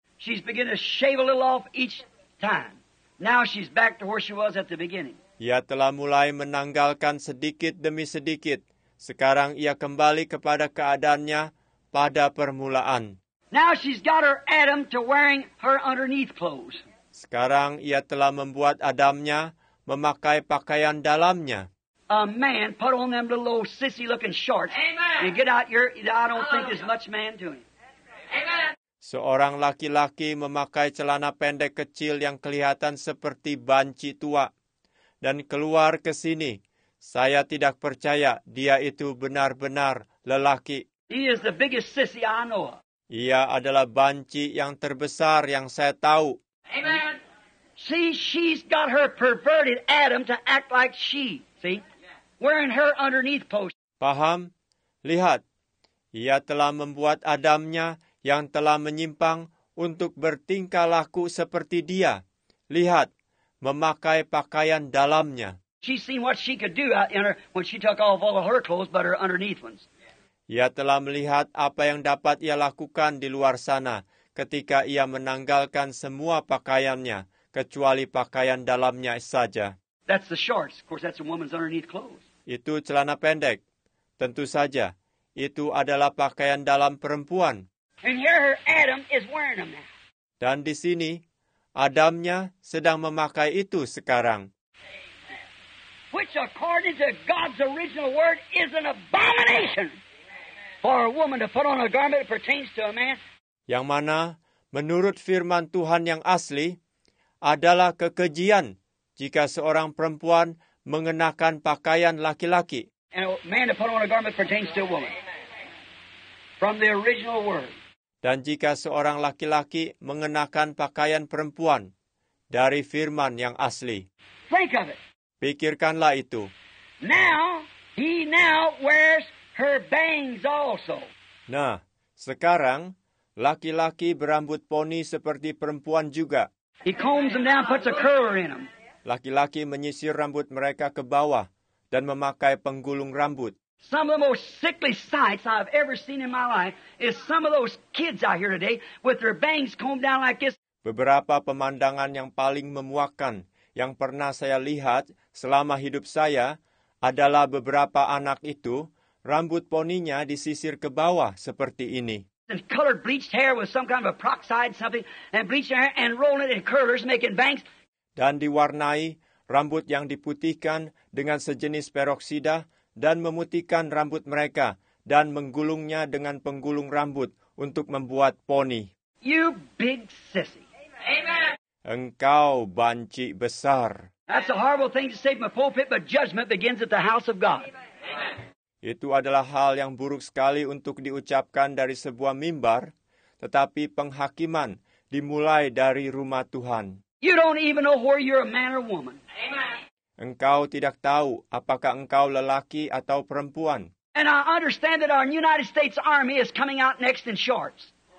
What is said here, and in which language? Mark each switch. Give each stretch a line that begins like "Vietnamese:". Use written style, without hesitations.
English: She's begun to shave a little off each time. Now she's back to where she was at the beginning.
Indonesian: Ia telah mulai menanggalkan sedikit demi sedikit. Sekarang ia kembali kepada keadaannya pada permulaan.
English: Now she's got her Adam to wearing her underneath clothes.
Indonesian: Sekarang ia telah membuat Adamnya memakai pakaian dalamnya.
English: A man put on them little old sissy looking shorts. Amen. And get out your, I don't Hallelujah. Think there's much man doing. Amen.
Indonesian: Seorang laki-laki memakai celana pendek kecil yang kelihatan seperti banci tua dan keluar ke sini. Saya tidak percaya dia itu benar-benar lelaki.
English: He is the biggest sissy I know.
Indonesian: Ia adalah banci yang terbesar yang saya tahu.
English: Amen. See, she's got her perverted Adam to act like she. See, wearing her underneath post.
Indonesian: Paham? Lihat, ia telah membuat Adamnya yang telah menyimpang untuk bertingkah laku seperti dia. Lihat, memakai pakaian dalamnya.
English: She seen what she could do out in her when she took off all of her clothes, but her underneath ones.
Indonesian: Ia telah melihat apa yang dapat ia lakukan di luar sana ketika ia menanggalkan semua pakaiannya kecuali pakaian dalamnya saja.
English: That's the shorts. Of course, that's a woman's underneath clothes.
Indonesian: Itu celana pendek. Tentu saja, itu adalah pakaian dalam perempuan.
English: And here her Adam is wearing them now.
Indonesian: Dan di sini, Adamnya sedang memakai itu sekarang.
English: Which, according to God's original word, is an abomination for a woman to put on a garment that pertains to a man.
Indonesian: Yang mana, menurut firman Tuhan yang asli, adalah kekejian jika seorang perempuan mengenakan pakaian laki-laki.
English: And a man to put on a garment pertains to a woman. From the original word.
Indonesian: Dan jika seorang laki-laki mengenakan pakaian perempuan dari firman yang asli.
English: Think of it.
Indonesian: Pikirkanlah itu.
English: Now, he now wears her bangs also.
Indonesian: Nah, sekarang laki-laki berambut poni seperti perempuan juga.
English: He combs them down, puts a curler in them.
Indonesian: Laki-laki menyisir rambut mereka ke bawah dan memakai penggulung rambut.
English: Some of the most sickly sights I've ever seen in my life is some of those kids out here today with their bangs combed down like this.
Indonesian: Beberapa pemandangan yang paling memuakkan yang pernah saya lihat selama hidup saya adalah beberapa anak itu rambut poninya disisir ke bawah seperti ini.
English: And colored bleached hair with some kind of a peroxide something and bleached hair and rolling it in curlers making bangs.
Indonesian: Dan diwarnai rambut yang diputihkan dengan sejenis peroksida dan memutihkan rambut mereka dan menggulungnya dengan penggulung rambut untuk membuat poni.
English: You big sissy. Amen.
Indonesian: Engkau banci besar.
English: That's a horrible thing to say from a pulpit, but judgment begins at the house of God. Amen.
Indonesian: Itu adalah hal yang buruk sekali untuk diucapkan dari sebuah mimbar, tetapi penghakiman dimulai dari rumah Tuhan.
English: You don't even know where you're a man or woman. Amen.
Indonesian: Engkau tidak tahu apakah engkau lelaki atau perempuan.
English: And I understand that our United States Army is coming out next in shorts.